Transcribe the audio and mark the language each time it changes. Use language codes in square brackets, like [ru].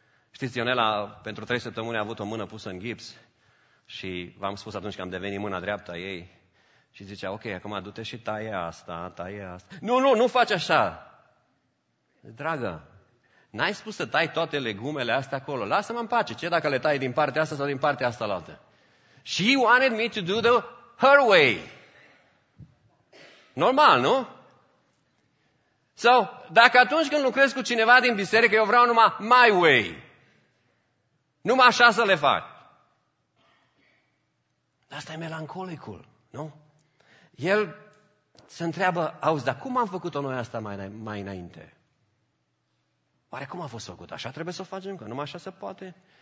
[ro] Știți, Ionela, pentru 3 săptămâni a avut o mână pusă în gips și v-am spus atunci că am devenit mâna dreaptă a ei. Și zicea, ok, acum du-te și taie asta, taie asta. Nu faci așa! Dragă, n-ai spus să tai toate legumele astea acolo. Lasă-mă în pace, ce dacă le tai din partea asta sau din partea asta la altă? [en] She wanted me to do the her way. [ro] Normal, nu? Sau, dacă atunci când lucrez cu cineva din biserică, eu vreau numai [en] my way. [ro] Numai așa să le fac. Asta e melancolicul, nu? El se întreabă, auzi, dar cum am făcut-o noi asta mai înainte? Oare cum a fost făcut? Așa trebuie să o facem? Că numai așa se poate?